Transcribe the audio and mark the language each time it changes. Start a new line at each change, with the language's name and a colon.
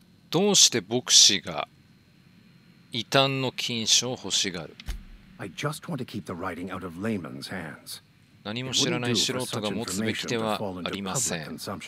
Japanese: どうして牧師が異端の禁書を欲しがる？
English: I just want to keep the writing out of layman's hands.
Japanese: 何も知らない素人が持つべき手はありません。